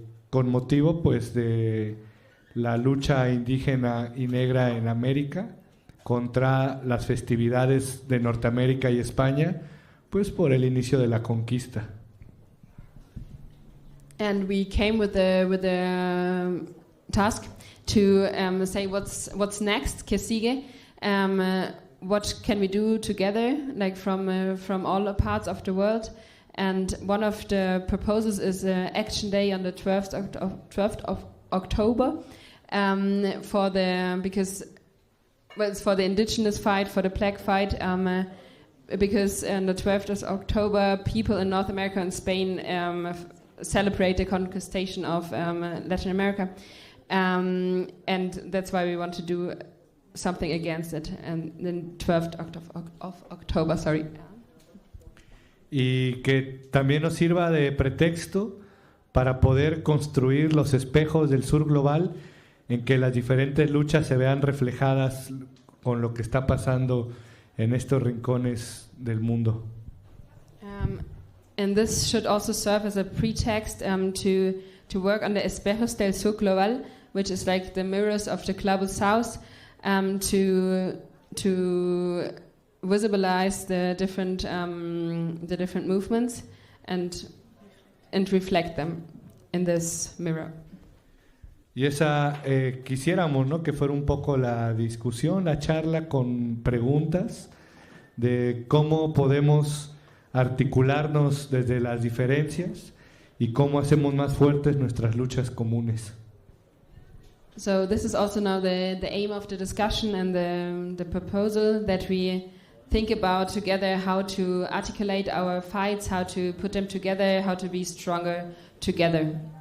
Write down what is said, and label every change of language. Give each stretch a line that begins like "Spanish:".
Spanish: Con motivo, pues, de la lucha indígena y negra en América contra las festividades de Norteamérica y España, pues, por el inicio de la conquista.
English: And we came with the task to say what's next,
Spanish: qué sigue,
English: what can we do together, like from all the parts of the world. And one of the proposals is an action day on the 12th of October for the indigenous fight, for the black fight, because on the 12th of October, people in North America and Spain celebrate the conquistation of Latin America. And that's why we want to do something against it. And then 12th of October.
Spanish: Y que también nos sirva de pretexto para poder construir los espejos del sur global en que las diferentes luchas se vean reflejadas con lo que está pasando en estos rincones del mundo.
English: And this should also serve as a pretext to work on the
Spanish: espejos del sur global,
English: which is like the mirrors of the global south, to visibilize the different movements and reflect them in this mirror.
Spanish: Y esa quisiéramos, ¿no?, que fuera un poco la discusión, la charla con preguntas de cómo podemos articularnos desde las diferencias y cómo hacemos más fuertes nuestras luchas comunes.
English: So this is also now the aim of the discussion and the proposal that we think about together how to articulate our fights, how to put them together, how to be stronger together.